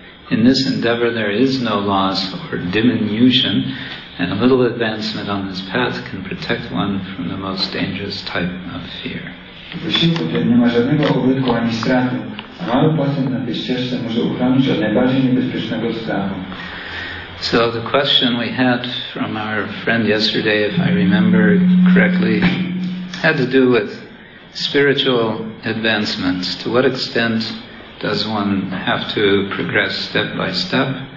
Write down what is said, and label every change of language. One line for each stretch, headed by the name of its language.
English: In this endeavor there is no loss or diminution, and a little advancement on this path can protect one from the most dangerous type of fear.
Polish: Wysiłku, który nie ma żadnego ubytku ani straty, a mały postęp na tej ścieżce może uchronić od najbardziej niebezpiecznego strachu.
English: So the question we had from our friend yesterday, if I remember correctly, had to do with spiritual advancement. To what extent does one have to progress step by step?